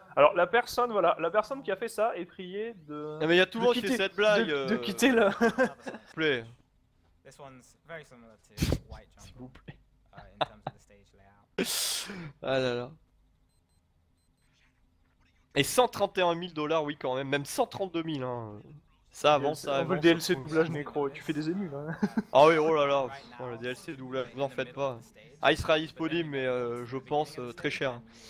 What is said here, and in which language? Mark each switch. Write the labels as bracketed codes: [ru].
[fr] Alors la personne, voilà, la personne qui a fait ça est priée de. Ah, mais il y a tout le monde qui fait cette blague. De quitter le. S'il vous plaît. [en] This one's very similar to White Jungle. [fr] S'il vous plaît. [en] In terms of the stage layout. [fr] Ah là là. Et 131 000 $, oui, quand même. Même 132 000, hein. Ça avance, ça avance. On veut le DLC doublage nécro, tu fais des émules, hein. Ah oui, oh là là. Oh, le DLC doublage, vous en faites pas. Ah, il sera disponible, mais je pense très cher.